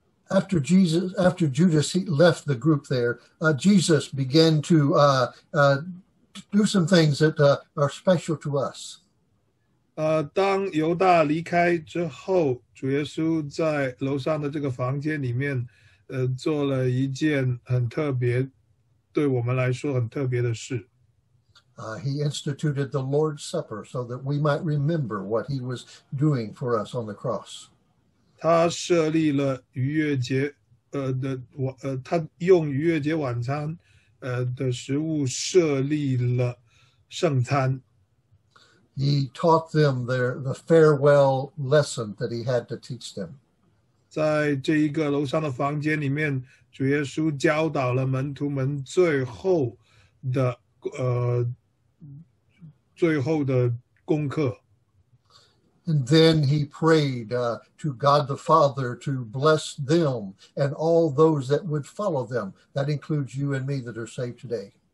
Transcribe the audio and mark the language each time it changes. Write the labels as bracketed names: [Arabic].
[English] After Judas left the group there, Jesus began to do some things that are special to us. [Chinese] 当犹大离开之后，主耶稣在楼上的这个房间里面，做了一件很特别。对我们来说很特别的事。 [English] He instituted the Lord's Supper so that we might remember what he was doing for us on the cross. [Chinese] 他设立了逾越节他用逾越节晚餐的食物设立了圣餐。 [English] He taught them the farewell lesson that he had to teach them. [Chinese] 在这一个楼上的房间里面，主耶稣教导了门徒们最后的功课。 [English] And then he prayed to God the Father to bless them and all those that would follow them. That includes you and me that are saved today.